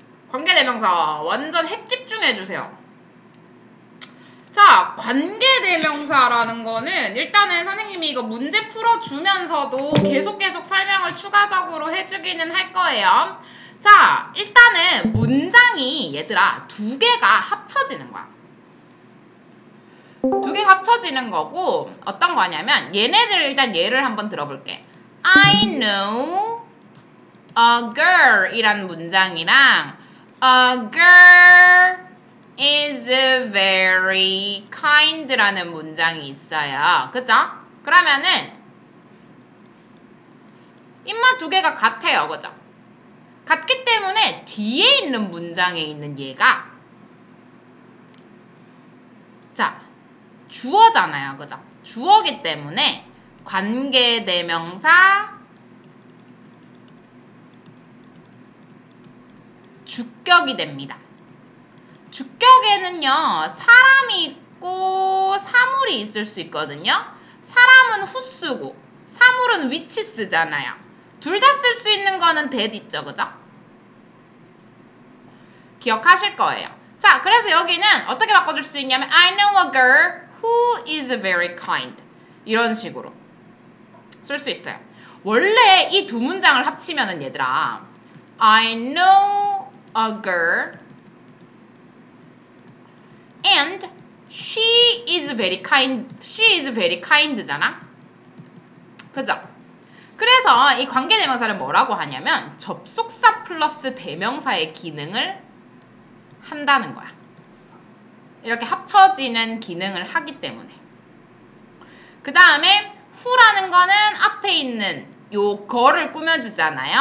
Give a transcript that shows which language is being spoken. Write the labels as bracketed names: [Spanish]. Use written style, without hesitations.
[Korean] 관계대명사 완전 핵집중해주세요. 자, 관계대명사라는 거는 일단은 선생님이 이거 문제 풀어주면서도 계속 설명을 추가적으로 해주기는 할 거예요. 자, 일단은 문장이 얘들아 두 개가 합쳐지는 거야. 두 개가 합쳐지는 거고 어떤 거냐면 얘네들 일단 예를 한번 들어볼게. [English] I know a girl [Korean] 이란 문장이랑 [English] A girl is very kind [Korean] 라는 문장이 있어요. 그죠? 그러면은 입맛 두 개가 같아요. 그죠? 같기 때문에 뒤에 있는 문장에 있는 얘가 자 주어잖아요. 그죠? 주어기 때문에 관계대명사 주격이 됩니다. 주격에는요, 사람이 있고 사물이 있을 수 있거든요. 사람은 후쓰고 사물은 위치 쓰잖아요. 둘 다 쓸 수 있는 거는 that 있죠, 그죠? 기억하실 거예요. 자, 그래서 여기는 어떻게 바꿔줄 수 있냐면 [English] I know a girl who is very kind. [Korean] 이런 식으로 쓸 수 있어요. 원래 이 두 문장을 합치면은 얘들아 [English] I know a girl and she is very kind. She is very kind [Korean] 잖아. 그죠? 그래서 이 관계대명사를 뭐라고 하냐면 접속사 플러스 대명사의 기능을 한다는 거야. 이렇게 합쳐지는 기능을 하기 때문에. 그 다음에 who라는 거는 앞에 있는 요 girl을 꾸며주잖아요.